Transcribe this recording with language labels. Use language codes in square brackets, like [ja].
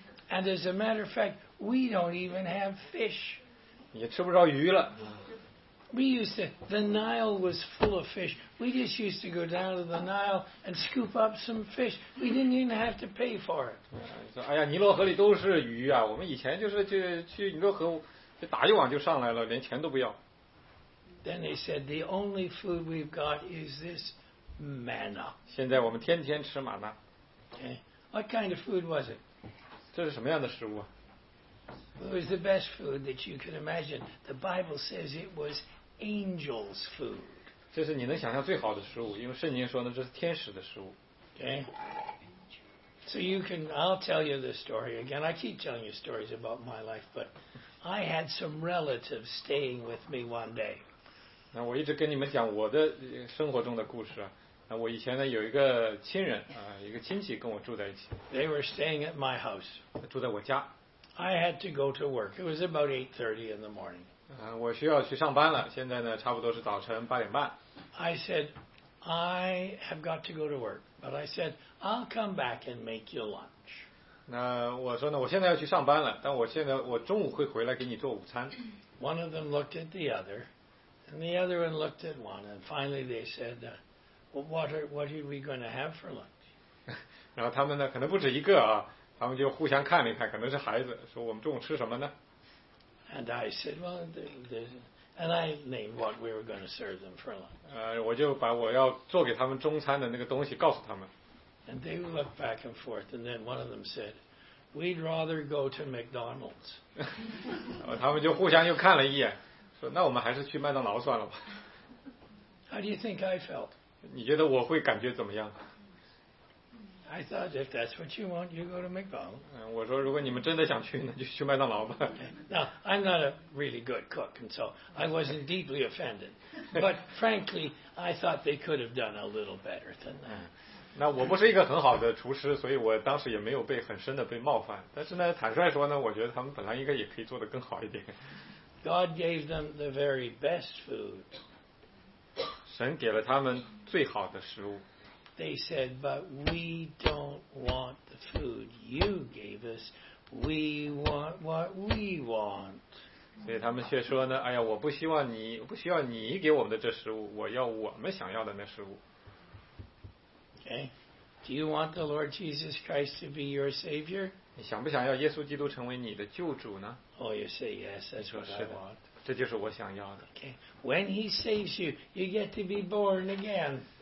[en] And as a matter of fact, we don't even have fish. [zh] 也吃不着鱼了。 [en] We used to, the Nile was full of fish. We just used to go down to the Nile and scoop up some fish. We didn't even have to pay for it. [zh] 哎呀，尼罗河里都是鱼啊，我们以前就是去尼罗河就打一网就上来了，连钱都不要。 [en] Then they said, the only food we've got is this manna. [zh] 现在我们天天吃玛纳。 [en] Okay, what kind of food was it? [zh] 这是什么样的食物啊？ [en] It was the best food that you could imagine. The Bible says it was angels' food. [zh] 这是你能想象最好的食物，因为圣经说呢，这是天使的食物。 [en] Okay. So you can, I'll tell you this story again. I keep telling you stories about my life, but I had some relatives staying with me one day. [zh] 那我一直跟你们讲我的生活中的故事啊。那我以前呢有一个亲人啊，一个亲戚跟我住在一起。 [en] They were staying at my house. [zh] 住在我家。 [en] I had to go to work. It was about 8:30 in the morning. [zh] 我需要去上班了。现在呢，差不多是早晨八点半。 [en] I said, I have got to go to work, but I said I'll come back and make you lunch. [zh] 那我说呢，我现在要去上班了，但我现在我中午会回来给你做午餐。 [en] One of them looked at the other, and the other one looked at one, and finally they said, well, what are we going to have for lunch? [zh] 然后他们呢，可能不止一个啊。他们就互相看了一看，可能是孩子，说我们中午吃什么呢 [en] ？And I said, well, and I named what we were going to serve them for lunch. [zh] 我就把我要做给他们中餐的那个东西告诉他们。 [en] And they looked back and forth, and then one of them said, we'd rather go to McDonald's. [zh] 然后他们就互相又看了一眼，说那我们还是去麦当劳算了吧。 [en] How do you think I felt? [zh] 你觉得我会感觉怎么样？ [en] I thought, if that's what you want, you go to McDonald's. [zh] 我说如果你们真的想去，那就去麦当劳吧。 [en] Now, I'm not a really good cook, and so I wasn't deeply offended. But frankly, I thought they could have done a little better than that. [zh] 那我不是一个很好的厨师，所以我当时也没有被很深的被冒犯。但是呢，坦率说呢，我觉得他们本来应该也可以做得更好一点。 [en] God gave them the very best food. [zh] 神给了他们最好的食物。 [en] They said, but we don't want the food you gave us. We want what we want. [zh] 所以他们却说呢，哎呀，我不希望你，我不需要你给我们的这食物，我要我们想要的那食物。 [en] Okay. Do you want the Lord Jesus Christ to be your Savior? [zh] 你想不想要耶稣基督成为你的救主呢？ [en] Oh, you say yes, that's what I want. [zh] 这就是我想要的。 [en] Okay. When he saves you, you get to be born again.